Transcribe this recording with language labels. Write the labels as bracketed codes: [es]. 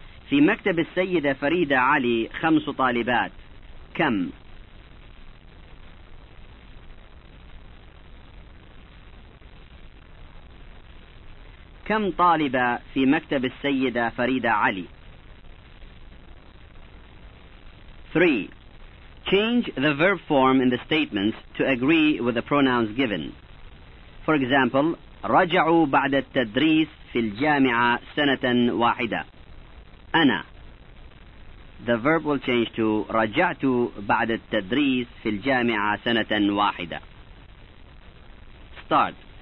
[ar] في مكتب السيدة فريدة علي 5 طالبات. كم? كم طالبة في مكتب السيدة فريدة علي? 3. [en] Change the verb form in the statements to agree with the pronouns given. For example, [ar] رجعوا بعد التدريس في الجامعة سنة واحدة. أنا. [en] The verb will change to [ar] رجعت بعد التدريس في الجامعة سنة واحدة. [en] Start.